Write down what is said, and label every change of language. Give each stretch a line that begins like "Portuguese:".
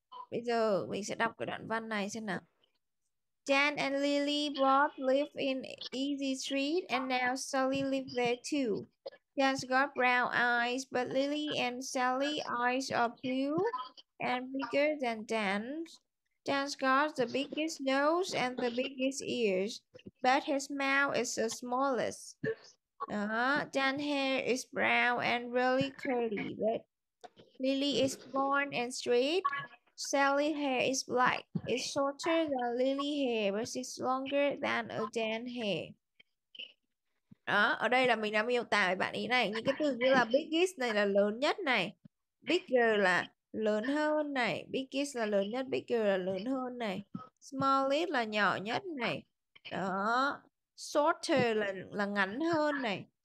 Vietnamese: Bây giờ mình sẽ đọc cái đoạn văn này xem nào.
English: Dan and Lily both live in Easy Street and now Sally lives there too. Dan's got brown eyes, but Lily and Sally's eyes are blue and bigger than Dan's. Dan's got the biggest nose and the biggest ears, but his mouth is the smallest. Dan's hair is brown and really curly, but Lily is blonde and straight. Sally's hair is black. It's shorter than Lily's hair, but it's longer than a Dan's hair.
Vietnamese: Đó, ở đây là mình đã miêu tả với bạn ý này. Những cái từ như là biggest này là lớn nhất này. Bigger là lớn hơn này. Biggest là lớn nhất, bigger là lớn hơn này. Smallest là nhỏ nhất này. Đó. Shorter là ngắn hơn này.